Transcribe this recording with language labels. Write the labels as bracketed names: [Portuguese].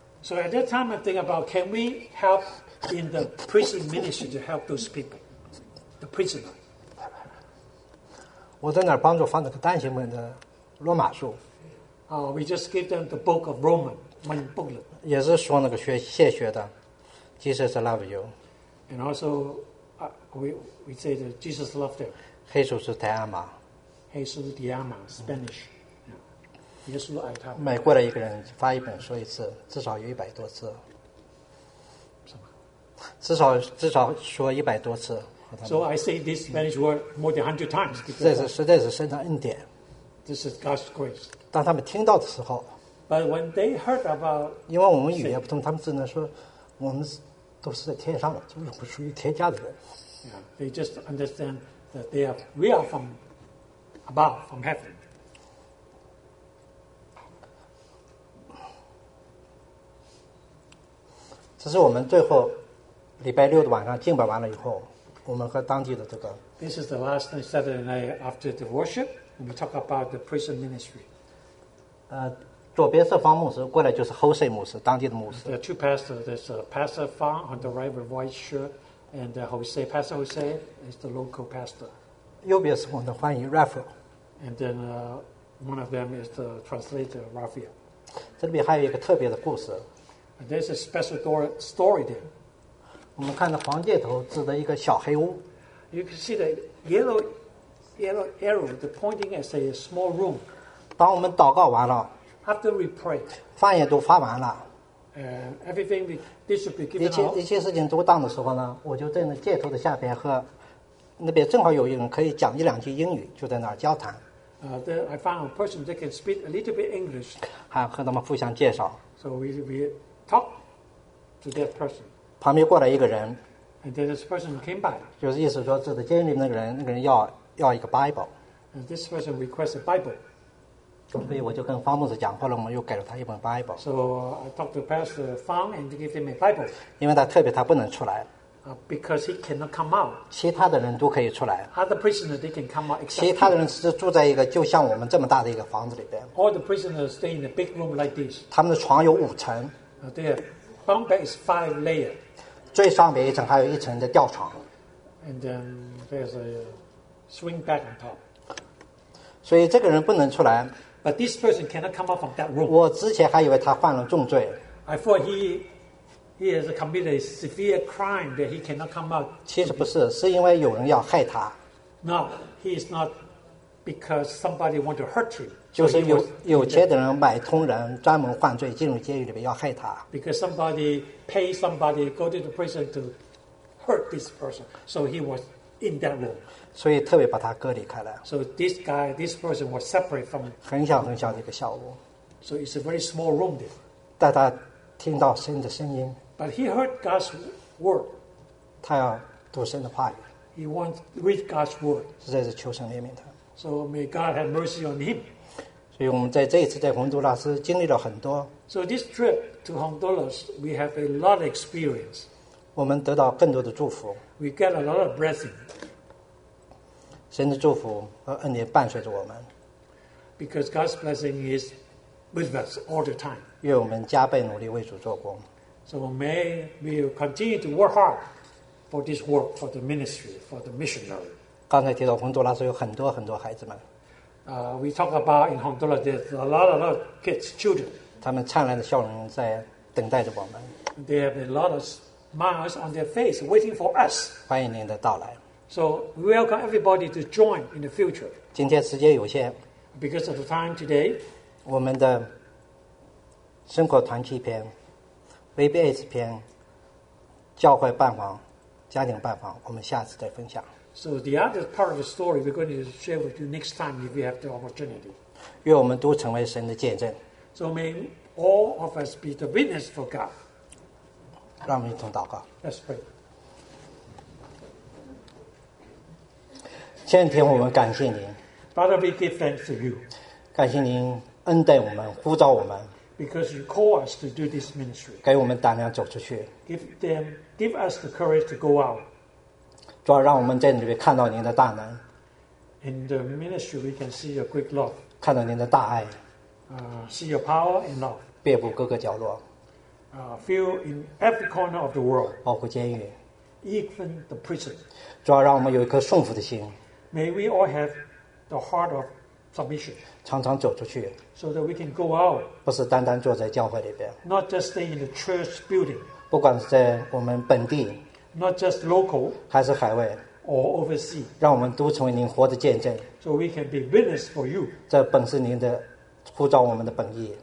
[English] So at that time, I think about can we help in the prison ministry to help those people, the prisoner. [Chinese] 我在那儿帮助翻那个单行本的罗马书。 [English] We just give them the book of Roman, one booklet. [Chinese] 也是说那个学谢学的 ， [English] Jesus love you. And also, we say that Jesus loved them. [Spanish] 黑手是迪亚马。黑手是迪亚马 [Chinese] ，Spanish. 耶稣爱他每过来一个人发一本说一次至少有100多次至少说100多次 [English] So I say this Spanish word more than 100 times [Chinese] 这是实在是神的恩典 [English] This is God's grace [Chinese] 当他们听到的时候 [English] But when they heard about [Chinese] 因为我们语言不通他们只能说我们都是在天上的就是不属于天家的人 [English] yeah, They just understand that they are, we are from above from heaven [Chinese] 这是我们最后礼拜六的晚上敬拜完了以后，我们和当地的这个。 [English] This is the last Saturday night after the worship. We talk about the prison ministry. [Chinese] 左边是方牧师，过来就是 Jose 牧师，当地的牧师。 [English] There are two pastors. There's a Pastor Fang on the right with white shirt, and Jose Pastor Jose is the local pastor. [Chinese] 右边是我们的欢迎 Raphael. [English] And then one of them is the translator Raphael. [Chinese] 这里边还有一个特别的故事。 [English] There's a special story there. [Chinese] 我们看到黄箭头指的一个小黑屋。 [English] You can see the yellow arrow, the pointing at a small room. [Chinese] 当我们祷告完了 [English] ，After we pray, [Chinese] 饭也都发完了 [English] ，And everything we distribute given out. [Chinese] 一切事情都当的时候呢，我就在那箭头的下边和那边正好有一人可以讲一两句英语，就在那儿交谈。 [English] Then I found a person that can speak a little bit English. [Chinese] 还和他们互相介绍。 [English] So we talk to that person. [Chinese] 旁边过来一个人 [English] And then this person came by. [Chinese] 就是意思说，这个监狱里面那个人要一个 Bible. [English] And this person requests a Bible. [Chinese] 所以我就跟方牧师讲，后来我们又给了他一本 Bible. [English] So I talked to Pastor Fang and gave him a Bible. [Chinese] 因为他特别，他不能出来。 [English] Because he cannot come out. [Chinese] 其他的人都可以出来。 [English] Other prisoners they can come out. [Chinese] 其他的人是住在一个就像我们这么大的一个房子里边。 [English] All the prisoners stay in a big room like this. [Chinese] 他们的床有5层。 [English] The bunk bed is 5 layers. [Chinese] 最上面一层还有一层的吊床。 [English] And then there's a swing bed on top. [Chinese] 所以这个人不能出来。 [English] But this person cannot come out from that room. [Chinese] 我之前还以为他犯了重罪。 [English] I thought he has committed a severe crime that he cannot come out. [Chinese] 其实不是，是因为有人要害他。 [English] No, he is not because somebody want to hurt him. [Chinese] 就是有钱的人买通人，专门犯罪进入监狱里面要害他。 [English] Because somebody pay somebody go to the prison to hurt this person, so he was in that room. [Chinese] 所以特别把他隔离开了。 [English] So this guy, this person was separate from [Chinese] 很小很小的一个小屋。 [English] So it's a very small room there. [Chinese] 但他听到神的声音, [English] but he heard God's word. [Chinese] 他要读神的话语, [English] he wants to read God's word. [Chinese] 实在是求神怜悯他, [English] so may God have mercy on him. [Chinese] 所以我们在这一次在洪都拉斯经历了很多, [English] so this trip to Honduras, we have a lot of experience. [Chinese] 我们得到更多的祝福, [English] we get a lot of blessing. [Chinese] 神的祝福和恩典伴随着我们, [English] because God's blessing is with us all the time. [Chinese] 因为我们加倍努力为主做工, [English] so may we continue to work hard for this work, for the ministry, for the missionary. [Chinese] 刚才提到洪都拉斯有很多很多孩子们, [English] We talk about in Honduras there's a lot of kids, children. [Chinese] 他们灿烂的笑容在等待着我们, [English] they have a lot of smiles on their face waiting for us. [Chinese] 欢迎您的到来, [English] so we welcome everybody to join in the future. [Chinese] 今天时间有限, [English] because of the time today, [Chinese] 我们的生活团契篇, VBS 篇, 教会办房, 家庭办房, 我们下次再分享。 [English] So the other part of the story we're going to share with you next time if you have the opportunity. [Chinese] 愿我们都成为神的见证。 [English] So may all of us be the witness for God. [Chinese] 让我们一同祷告。 [English] Let's pray. [Chinese] 亲爱的天父，我们感谢您。 [English] Father, we give thanks to you. [Chinese] 感谢您恩待我们，呼召我们。 [English] Because you call us to do this ministry. [Chinese] 给我们胆量走出去。 [English] Give us the courage to go out. [Chinese] 主要让我们在里面看到您的大能。 [English] In the ministry, we can see your great love. [Chinese] 看到您的大爱。 [English] See your power and love. [Chinese] 遍布各个角落。 [English] Feel in every corner of the world. [Chinese] 包括监狱。 [English] Even the prison. [Chinese] 主要让我们有一颗顺服的心。 [English] May we all have the heart of submission. [Chinese] 常常走出去, [English] so that we can go out. [Chinese] 不是单单坐在教会里边, [English] not just stay in the church building. [Chinese] 不管是在我们本地, [English] not just local. [Chinese] 还是海外, [English] or overseas. [Chinese] 让我们都成为您活的见证, [English] so we can be witness for you. [Chinese] 这本是您的呼召我们的本意,